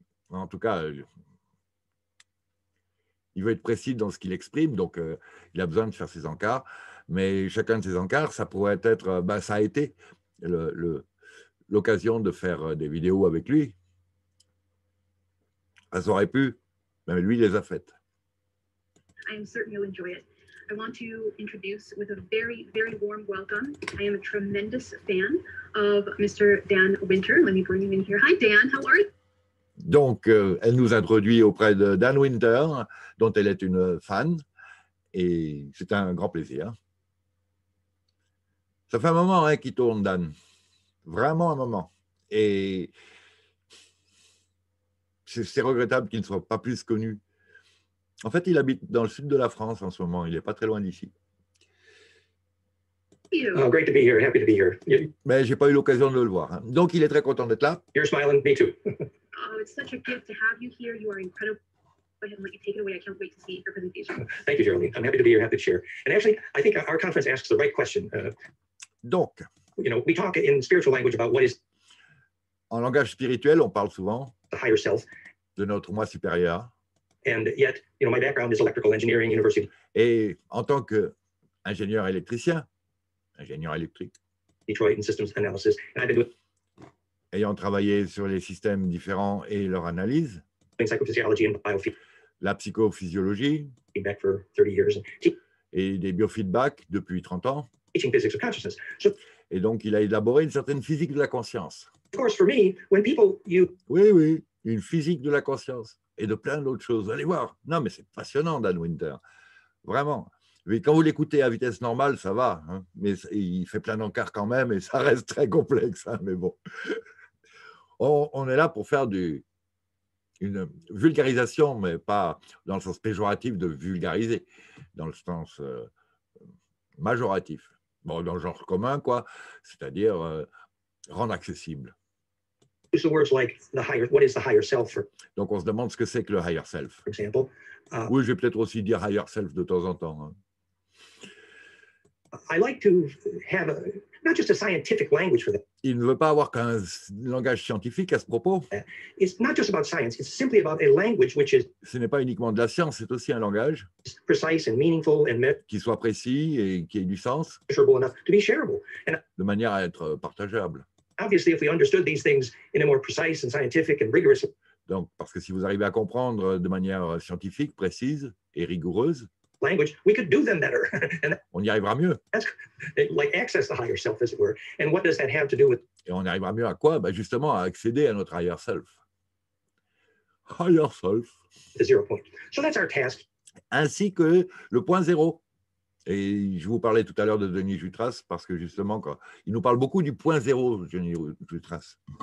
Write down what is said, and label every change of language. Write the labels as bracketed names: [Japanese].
[French] En tout cas, il veut être précis dans ce qu'il exprime, donc il a besoin de faire ses encarts. Mais chacun de ses encarts, ça pourrait être, ben, ça a été l'occasion de faire des vidéos avec lui. Ça aurait pu, mais lui, il les a faites. [English] I am certain you'll enjoy it. I want to introduce with a very, very warm welcome. I am a tremendous fan of Mr. Dan Winter. Let me bring him in here. Hi, Dan. How are you? [French] Donc, elle nous introduit auprès de Dan Winter, dont elle est une fan. Et c'est un grand plaisir. Ça fait un moment, hein, qu'il tourne, Dan. Vraiment un moment. Et c'est regrettable qu'il ne soit pas plus connu. En fait, il habite dans le sud de la France en ce moment. Il n'est pas très loin d'ici. [English] Oh, great to be here. Happy to be here. Yeah. [French] Mais je n'ai pas eu l'occasion de le voir. Hein. Donc, il est très content d'être là. [English] You're smiling. Me too. Oh, it's such a gift to have you here. You are incredible. Go ahead and let you take it away. I can't wait to see your presentation. Thank you, Geraldine. I'm happy to be here. Happy to share. And actually, I think our conference asks the right question. [French] Donc, [English] you know, we talk in spiritual language about what is... [French] En langage spirituel, on parle souvent [English] the higher self, [French] de notre moi supérieur. [English] And yet, you know, my background is electrical engineering, university. [French] Et en tant qu'ingénieur électricien, ingénieur électrique, [English] Detroit and systems analysis, and I've been doing... [French] ayant travaillé sur les systèmes différents et leur analyse, [English] psychophysiology and biofeed... [French] la psychophysiologie, [English] feedback for 30 years, [French] et des biofeedbacks depuis 30 ans, [English] teaching physics of consciousness. So... [French] et donc il a élaboré une certaine physique de la conscience. [English] Of course, for me, when people, you... [French] Oui, une physique de la conscience. Et de plein d'autres choses. Allez voir. Non, mais c'est passionnant, Dan Winter. Vraiment. Mais quand vous l'écoutez à vitesse normale, ça va. Hein. Mais il fait plein d'encarts quand même et ça reste très complexe. Hein, mais bon, on est là pour faire une vulgarisation, mais pas dans le sens péjoratif de vulgariser, dans le sens majoratif. Bon, dans le genre commun, quoi, c'est-à-dire rendre accessible. [English] So words like the higher, what is the higher self? [French] Donc on se demande ce que c'est que le higher self. [English] For example, [French] oui, je vais peut-être aussi dire higher self de temps en temps. Hein. [English] I like to have not just a scientific language for that. [French] Il ne veut pas avoir qu'un langage scientifique à ce propos. [English] It's not just about science, it's simply about a language which is. [French] Ce n'est pas uniquement de la science, c'est aussi un langage. [English] Precise and meaningful and [French] qui soit précis et qui ait du sens. [English] Shareable enough to be shareable. [French] And de manière à être partageable. [English] Obviously, if we understood these things in a more precise and scientific and rigorous. [French] Donc, parce que si vous arrivez à comprendre de manière scientifique, précise et rigoureuse, [English] language, we could do them better. [French] On y arrivera mieux. [English] Like access the higher self, as it were. And what does that have to do with? [French] Et on y arrivera mieux à quoi? Ben justement, à accéder à notre higher self. [English] Higher self. The zero point. So that's our task. [French] Ainsi que le point zéro. Et je vous parlais tout à l'heure de Denis Jutras parce que justement, quoi, il nous parle beaucoup du point zéro, Denis Jutras.